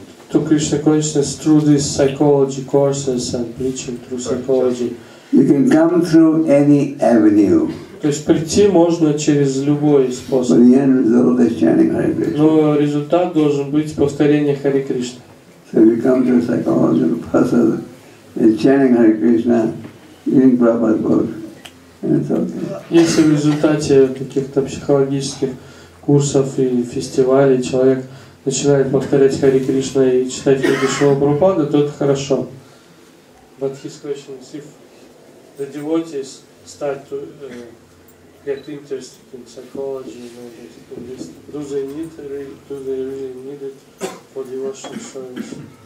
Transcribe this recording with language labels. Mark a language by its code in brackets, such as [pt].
[en] To Krishna consciousness through these psychology courses and preaching through psychology. You can come through any avenue. [ru] То есть прийти можно через любой способ. [en] But the end result is chanting Hare Krishna. [ru] Но результат должен быть повторение Хари Кришна. [en] So you come through psychology process and chanting Hare Krishna, reading Prabhupada's book, and it's okay. [ru] Если в результате каких-то психологических курсов и фестивалей человек начинает повторять Хари Кришна и читать Кришна Прабхупада, то это хорошо. [en] But his question is, if the devotees start to get interested in psychology, do they really need it for devotional service?